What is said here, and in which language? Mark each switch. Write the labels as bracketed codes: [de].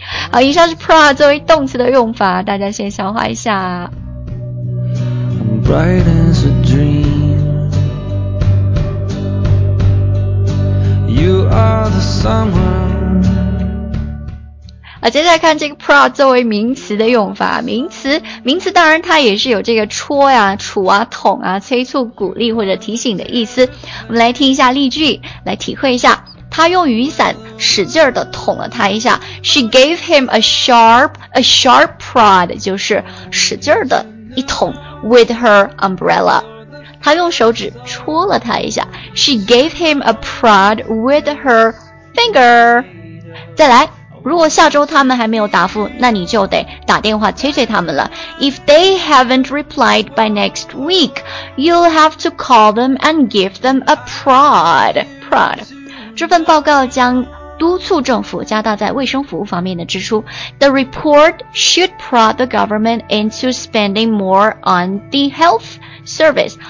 [zh] 好，以上是 prod 作为动词的用法，大家先消化一下。 [en] Bright as a dream, you are the summer. [zh] 啊，接下来看这个 prod 作为名词的用法。名词当然它也是有这个戳呀、杵啊、捅啊、催促、鼓励或者提醒的意思。我们来听一下例句，来体会一下。他用雨伞使劲儿的捅了他一下。 [en] She gave him a sharp prod, [zh] 就是使劲儿的一捅 [en] with her umbrella. [zh] 他用手指戳了他一下。 [en] She gave him a prod with her finger. [zh] 再来。如果下周他们还没有答复，那你就得打电话催催他们了。 [en] If they haven't replied by next week, you'll have to call them and give them a prod. Prod. [zh] 这份报告将督促政府加大在卫生服务方面的支出。 [en] The report should prod the government into spending more on the health service.